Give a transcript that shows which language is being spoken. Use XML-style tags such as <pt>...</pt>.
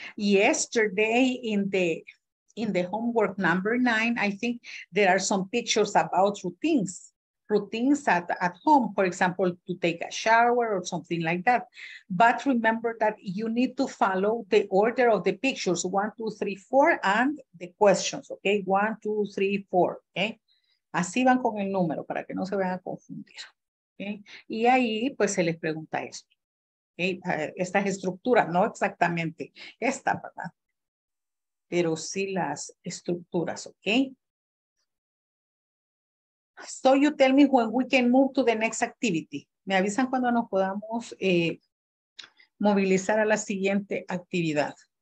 <en>Yesterday in the homework number 9, I think there are some pictures about routines. Routines at home, for example, to take a shower or something like that. But remember that you need to follow the order of the pictures, 1, 2, 3, 4, and the questions, okay? 1, 2, 3, 4, okay?</en> <es>Así van con el número para que no se vayan a confundir, okay? Y ahí, pues, se les pregunta esto, okay? Esta es estructura, no exactamente esta, ¿verdad? Pero sí las estructuras, okay?</es> <en>So you tell me when we can move to the next activity.</en> <es>Me avisan cuando nos podamos movilizar a la siguiente actividad.</es>